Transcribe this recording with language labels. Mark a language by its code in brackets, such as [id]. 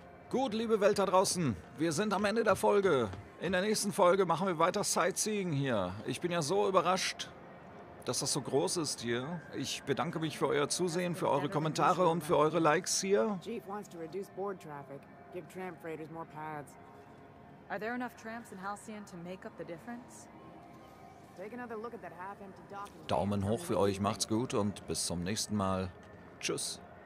[de] Gut, liebe Welt da draußen, wir sind am Ende der Folge. In der nächsten Folge machen wir weiter Sightseeing hier. Ich bin ja so überrascht, dass das so groß ist hier. Ich bedanke mich für euer Zusehen, für eure Kommentare und für eure Likes hier. [en] Chief wants to reduce board traffic, give tramp freighters more pads. Are there enough tramps in Halcyon to make up the difference? Take another look at that half-empty dock. [de] Daumen hoch für euch, macht's gut und bis zum nächsten Mal. Tschüss.